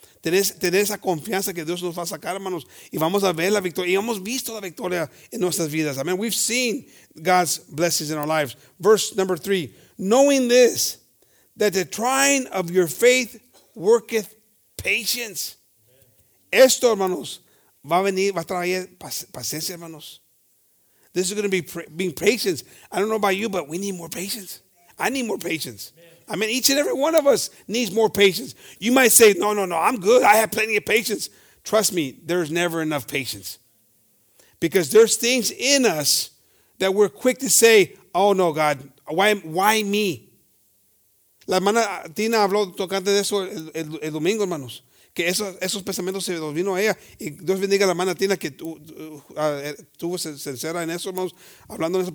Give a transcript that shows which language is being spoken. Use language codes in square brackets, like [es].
[es] Tener esa confianza que Dios nos va a sacar, hermanos, y vamos a ver la victoria. Y hemos visto la victoria en nuestras vidas. [en] Amen. We've seen God's blessings in our lives. Verse number 3. Knowing this, that the trying of your faith worketh patience. [es] Esto, hermanos, va a venir, va a traer paciencia, hermanos. [en] This is going to be being patience. I don't know about you, but we need more patience. I need more patience. I mean, each and every one of us needs more patience. You might say, no, no, no, I'm good. I have plenty of patience. Trust me, there's never enough patience. Because there's things in us that we're quick to say, oh, no, God, why me? [es] La hermana Tina habló tocante de eso el domingo, hermanos. Que esos pensamientos se los vino a ella. Y Dios bendiga a la hermana Tina que tuvo sincera en eso, hermanos, hablando de eso.